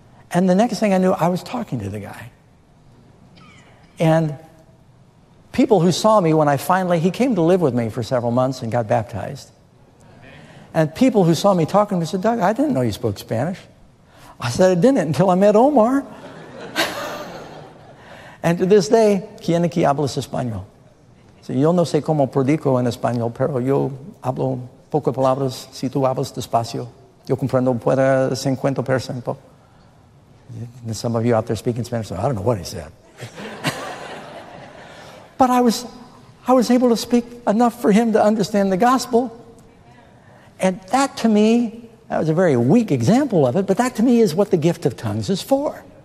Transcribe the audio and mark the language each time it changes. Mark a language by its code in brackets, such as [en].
[en] And the next thing I knew, I was talking to the guy. And people who saw me when I finally, he came to live with me for several months and got baptized. And people who saw me talking to me said, Doug, I didn't know you spoke Spanish. I said, I didn't until I met Omar. And to this day, [es] ¿quién aquí hablas español? [en] So, [es] yo no sé cómo predico en español, pero yo hablo pocas palabras. Si tú hablas despacio, yo comprendo puede 50%. [en] And some of you out there speaking Spanish, so I don't know what he said. But I was able to speak enough for him to understand the gospel. And that to me, that was a very weak example of it, but that to me is what the gift of tongues is for.